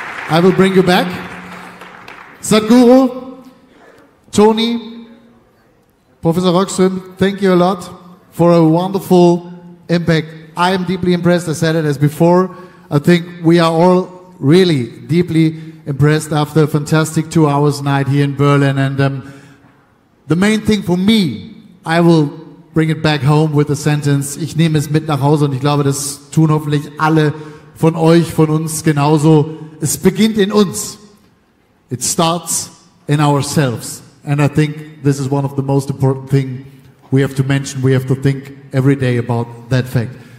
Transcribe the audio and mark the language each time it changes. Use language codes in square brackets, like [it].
[en] I will bring you back. Sadhguru, Toni, Professor Rockström, thank you a lot for a wonderful impact. I am deeply impressed. I said it as before. I think we are all really deeply impressed after a fantastic 2 hours night here in Berlin. And the main thing for me, I will bring it back home with a sentence. [de] Ich nehme es mit nach Hause. Und ich glaube, das tun hoffentlich alle von euch, von uns genauso. Es beginnt in uns. [en] It starts in ourselves. And I think this is one of the most important things we have to mention. We have to think every day about that fact.